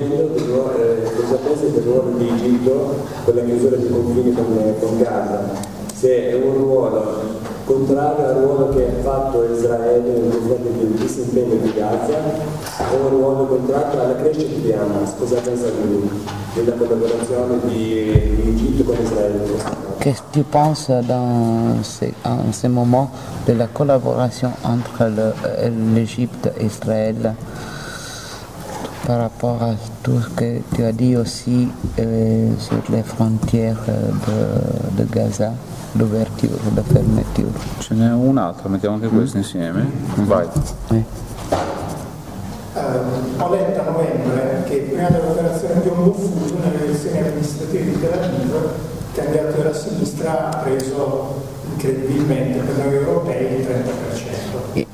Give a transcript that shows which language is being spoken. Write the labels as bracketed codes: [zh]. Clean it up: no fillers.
[it] Cosa pensi del ruolo di Egitto con la chiusura di confini con Gaza? Se è un ruolo contrario al ruolo che ha fatto Israele nel progetto di disimpegno di Gaza, è un ruolo contrario alla crescita di Hamas. Cosa pensa di lui? [fr] La collaboration de l'Égypte avec Israël. Qu'est-ce que tu penses dans ce moment de la collaboration entre l'Égypte et Israël par rapport à tout ce que tu as dit aussi sur les frontières de Gaza, l'ouverture, la fermeture? Ce n'est un autre, mettons [it] anche questo insieme. Vai. Ho letto a novembre che prima dell'operazione di Yom Kippur, nelle elezioni amministrative di Tel Aviv, candidato della sinistra ha preso incredibilmente per noi europei il 30%.